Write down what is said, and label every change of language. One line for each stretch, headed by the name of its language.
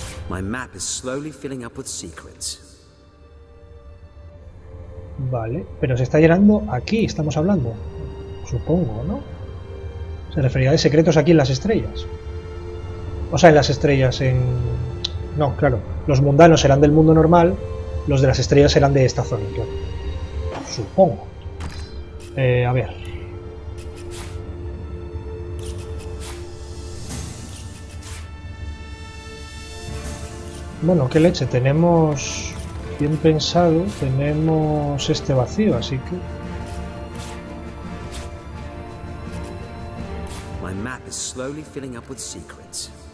English: My map is slowly filling up with secrets.
Spanish: Vale, pero se está llenando aquí, estamos hablando. Supongo, ¿no? Se refería a secretos aquí en las estrellas. O sea, en las estrellas, en... No, claro. Los mundanos serán del mundo normal, los de las estrellas serán de esta zona, claro. Supongo. A ver. Bueno, qué leche, tenemos bien pensado, tenemos este vacío, así que...
English: My map is slowly filling up with secrets.